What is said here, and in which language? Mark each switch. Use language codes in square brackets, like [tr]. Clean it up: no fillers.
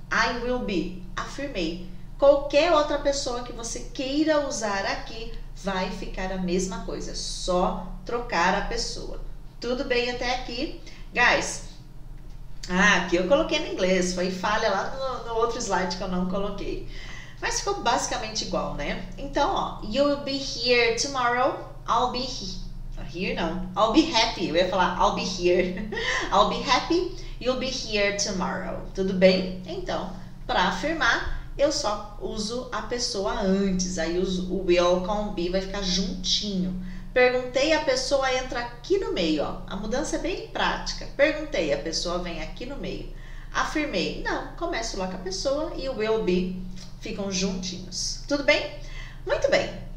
[en] I will be, [pt] afirmei. Qualquer outra pessoa que você queira usar aqui vai ficar a mesma coisa, só trocar a pessoa. Tudo bem até aqui? Guys, aqui eu coloquei no inglês, foi falha lá no outro slide que eu não coloquei. Mas ficou basicamente igual, né? Então, ó, [en] you'll be here tomorrow, I'll be here. Here [pt] não, [en] I'll be happy. [pt] Eu ia falar, [en] I'll be here. I'll be happy, you'll be here tomorrow. [pt] Tudo bem? Então, para afirmar, eu só uso a pessoa antes. Aí o will com o be vai ficar juntinho. Perguntei, a pessoa entra aqui no meio, ó. A mudança é bem prática. Perguntei, a pessoa vem aqui no meio. Afirmei, não, começo lá com a pessoa e o will be ficam juntinhos. Tudo bem? Muito bem.